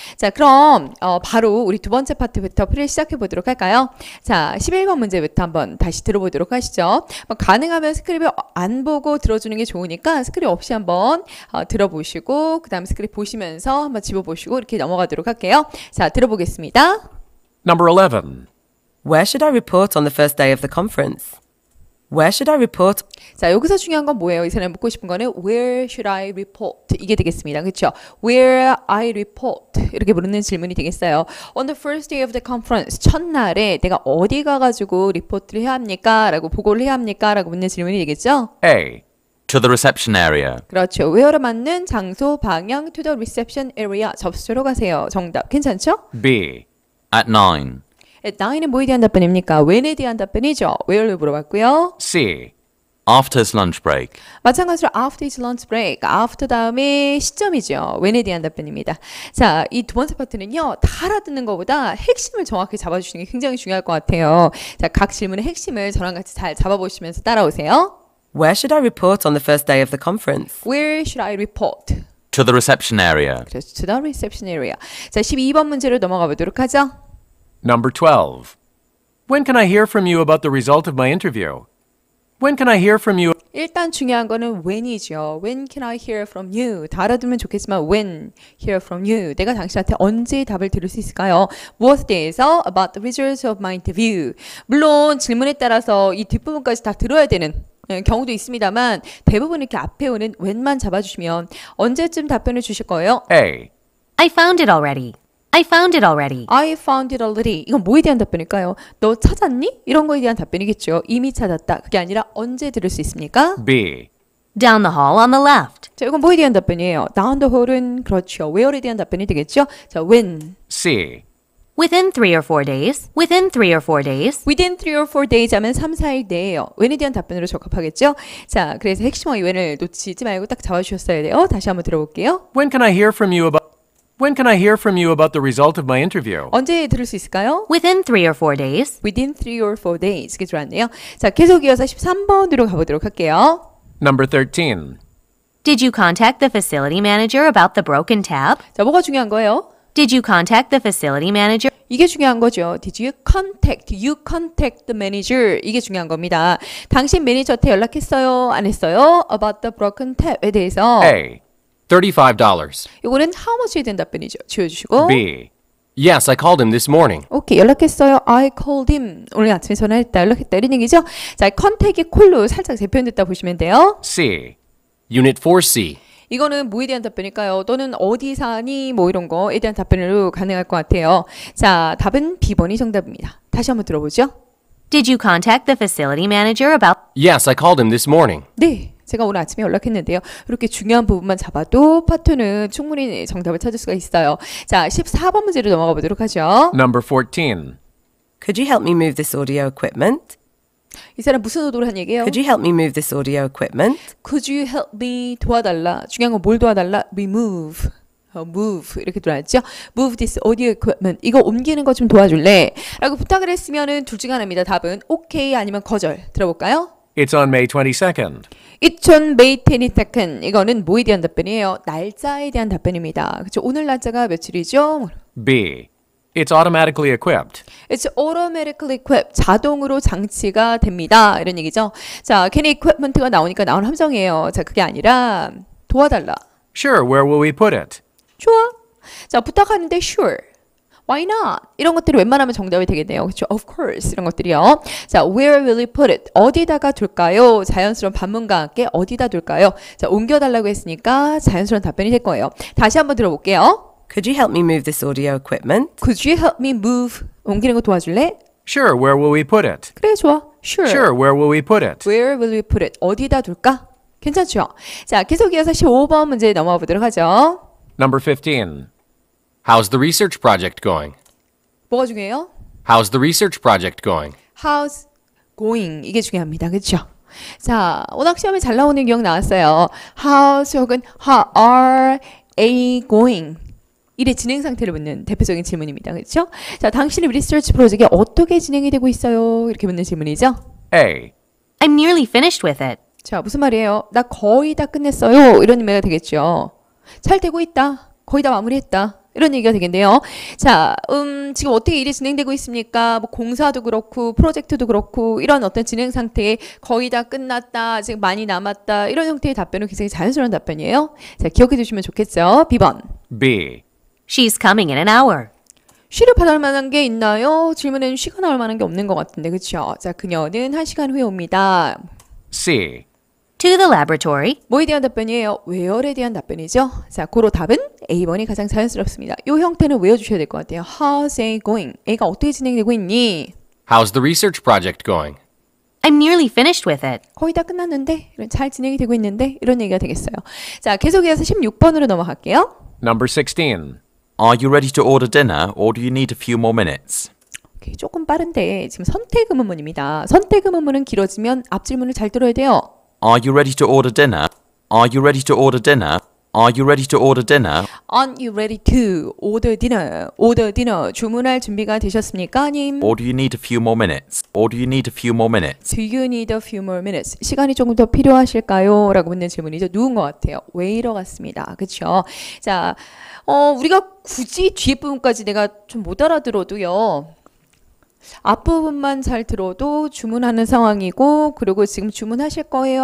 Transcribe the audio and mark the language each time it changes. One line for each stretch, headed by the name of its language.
Korean: 자, 그럼, 바로 우리 두 번째 파트부터 프리를 시작해 보도록 할까요? 자, 11번 문제부터 한번 다시 들어보도록 하시죠. 가능하면 스크립을 안 보고 들어주는 게 좋으니까 스크립 없이 한번 들어보시고, 그 다음에 스크립 보시면서 한번 집어보시고, 이렇게 넘어가도록 할게요. 자, 들어보겠습니다.
English: Number 11. Where should I report on the first day of the conference? Where should I report?
Korean: 자, 여기서 중요한 건 뭐예요? 이 사람이 묻고 싶은 거는
English: Where should I report?
Korean: 이게 되겠습니다. 그렇죠?
English: Where I report?
Korean: 이렇게 묻는 질문이 되겠어요.
English: On the first day of the conference,
Korean: 첫날에 내가 어디 가가지고 리포트를 해야 합니까? 라고 보고를 해야 합니까? 라고 묻는 질문이 되겠죠?
English: A. To the reception area.
Korean: 그렇죠. where로 맞는 장소 방향
English: to the reception area
Korean: 접수로 가세요. 정답 괜찮죠?
English: B. At 9.
Korean: At 9은 뭐에 대한 답변입니까? When에 대한 답변이죠. Where를 물어봤고요.
English: C. After his lunch break.
Korean: 마찬가지로
English: after his lunch break.
Korean: after 다음에 시점이죠. When에 대한 답변입니다. 자, 이두 번째 파트는요. 다 알아듣는 것보다 핵심을 정확히 잡아주시는 게 굉장히 중요할 것 같아요. 자, 각 질문의 핵심을 저랑 같이 잘 잡아보시면서 따라오세요.
English: Where should I report on the first day of the conference? Where should I report? To the reception area.
Korean: 그래서
English: to the reception area.
Korean: 자, 12번 문제로 넘어가 보도록 하죠.
English: Number 12. When can I hear from you about the result of my interview? When can I hear from you?
Korean: 일단 중요한 거는 when이죠.
English: When can I hear from you?
Korean: 다 알아두면 좋겠지만
English: when hear from you?
Korean: 내가 당신한테 언제 답을 들을 수 있을까요? 무엇에 대해서?
English: About the results of my interview.
Korean: 물론 질문에 따라서 이 뒷부분까지 다 들어야 되는 경우도 있습니다만 대부분 이렇게 앞에 오는 when만 잡아주시면 언제쯤 답변을 주실 거예요?
English: A. I found it already. I found it already. I found it already.
Korean: 이건 뭐에 대한 답변일까요? 너 찾았니? 이런 거에 대한 답변이겠죠. 이미 찾았다. 그게 아니라 언제 들을 수 있습니까?
English: B. Down the hall on the left.
Korean: 자, 이건 뭐에 대한 답변이에요?
English: Down the hall은
Korean: 그렇죠. Where에 대한 답변이 되겠죠?
English: 자, when. C. Within 3 or 4 days. Within 3 or 4 days. Within 3 or 4 days
Korean: 하면 3, 4일 내에요. When에 대한 답변으로 적합하겠죠? 자, 그래서 핵심어 when을 놓치지 말고 딱 잡아주셨어야 돼요. 다시 한번 들어볼게요.
English: When can I hear from you about When can I hear from you about the result of my interview?
Korean: 언제 들을 수 있을까요?
English: Within 3 or 4 days. Within 3 or 4 days.
Korean: 이게 좋았네요. 자, 계속 이어서 13번으로 가보도록 할게요.
English: Number 13. Did you contact the facility manager about the broken tap?
Korean: 자, 뭐가 중요한 거예요?
English: Did you contact the facility manager?
Korean: 이게 중요한 거죠.
English: Did you contact? You contact the manager.
Korean: 이게 중요한 겁니다. 당신 매니저한테 연락했어요? 안 했어요?
English: About the broken tap에 대해서. A. $35.
Korean: 이거는 how much에 대한 답변이죠. 지워주시고.
English: B. Yes, I called him this morning.
Korean: 오케이, 연락했어요.
English: I called him.
Korean: 오늘 아침에 전화했다. 연락했다. 이런 얘기죠. 자, contact의 콜로 살짝 재표현됐다 보시면 돼요. C. Unit 4C. 이거는 뭐에 대한 답변일까요? 또는 어디 사니? 뭐 이런 거에 대한 답변으로 가능할 것 같아요. 자, 답은 B번이 정답입니다. 다시 한번 들어보죠.
English: Did you contact the facility manager about? Yes, I called him this morning.
Korean: 네, 제가 오늘 아침에 연락했는데요. 이렇게 중요한 부분만 잡아도 파트는 충분히 정답을 찾을 수가 있어요. 자, 14번 문제로 넘어가 보도록 하죠.
English: Number 14. Could you help me move this audio equipment?
Korean: 이 사람 무슨 의도로 한 얘기예요?
English: Could you help me move this audio equipment? Could you help me
Korean: 도와달라? 중요한 건뭘 도와달라? Remove. Move. 이렇게 들어왔죠?
English: Move this audio equipment.
Korean: 이거 옮기는 거좀 도와줄래? 라고 부탁을 했으면은 둘중 하나입니다. 답은 OK 아니면 거절. 들어볼까요?
English: It's on May 22nd. It's on May 22nd.
Korean: 이거는 뭐에 대한 답변이에요? 날짜에 대한 답변입니다. 그렇죠? 오늘 날짜가 며칠이죠?
English: B. It's automatically equipped. It's automatically equipped.
Korean: 자동으로 장치가 됩니다. 이런 얘기죠. 자, 괜히 equipment가 나오니까 나온 함정이에요. 자, 그게 아니라 도와달라.
English: Sure, where will we put it? Sure.
Korean: 자, 부탁하는데 sure.
English: Why not?
Korean: 이런 것들이 웬만하면 정답이 되겠네요. 그렇죠?
English: Of course.
Korean: 이런 것들이요.
English: 자, where will we put it?
Korean: 어디다가 둘까요? 자연스러운 반문과 함께 어디다 둘까요? 자, 옮겨달라고 했으니까 자연스러운 답변이 될 거예요. 다시 한번 들어볼게요.
English: Could you help me move this audio equipment? Could you help me move?
Korean: 옮기는 거 도와줄래?
English: Sure, where will we put it?
Korean: 그래, 좋아. Sure.
English: Sure, where will we put it? Where will we put it?
Korean: 어디다 둘까? 괜찮죠? 자, 계속 이어서 15번 문제 넘어가 보도록 하죠.
English: Number 15. How's the research project going?
Korean: 뭐가 중요해요?
English: How's the research project going? How's going?
Korean: 이게 중요합니다. 그렇죠? 자, 워낙 시험에 잘 나오는 경우 나왔어요. How's 혹은 how are a going? 일의 진행 상태를 묻는 대표적인 질문입니다. 그렇죠? 자, 당신의 리서치 프로젝트가 어떻게 진행이 되고 있어요? 이렇게 묻는 질문이죠.
English: A. I'm nearly finished with it.
Korean: 자, 무슨 말이에요? 나 거의 다 끝냈어요. 이런 의미가 되겠죠. 잘 되고 있다. 거의 다 마무리했다. 이런 얘기가 되겠네요. 자, 지금 어떻게 일이 진행되고 있습니까? 뭐 공사도 그렇고 프로젝트도 그렇고 이런 어떤 진행 상태에 거의 다 끝났다, 아직 많이 남았다 이런 형태의 답변은 굉장히 자연스러운 답변이에요. 자, 기억해 주시면 좋겠죠. B번.
English: B. She's coming in an hour.
Korean: She를 받을 만한 게 있나요? 질문에는 she가 나올 만한 게 없는 것 같은데, 그렇죠? 자, 그녀는 한 시간 후에 옵니다.
English: C. To the laboratory.
Korean: 뭐에 대한 답변이에요? Where에 대한 답변이죠. 자, 고로 답은 A번이 가장 자연스럽습니다. 요 형태는 외워주셔야 될 것 같아요.
English: How's A going?
Korean: A가 어떻게 진행되고 있니?
English: How's the research project going? I'm nearly finished with it.
Korean: 거의 다 끝났는데? 잘 진행이 되고 있는데? 이런 얘기가 되겠어요. 자, 계속 이어서 16번으로 넘어갈게요.
English: Number 16. Are you ready to order dinner or do you need a few more minutes?
Korean: 조금 빠른데 지금 선택 음문문입니다. 선택 음문문은 길어지면 앞 질문을 잘 들어야 돼요.
English: Are you ready to order dinner? Are you ready to order dinner? Are you ready to order dinner? Aren't you ready to order dinner? Order dinner.
Korean: 주문할 준비가 되셨습니까, 님?
English: Or do you need a few more minutes? Or do you need a few more minutes? Do you need a few more minutes?
Korean: 시간이 조금 더 필요하실까요? 라고 묻는 질문이죠. 누운 것 같아요. 왜 이러 같습니다. 그렇죠? 자, 우리가 굳이 뒤에 부분까지 내가 좀 못 알아들어도요. 앞부분만 잘 들어도 주문하는 상황이고, 그리고 지금 주문하실 거예요?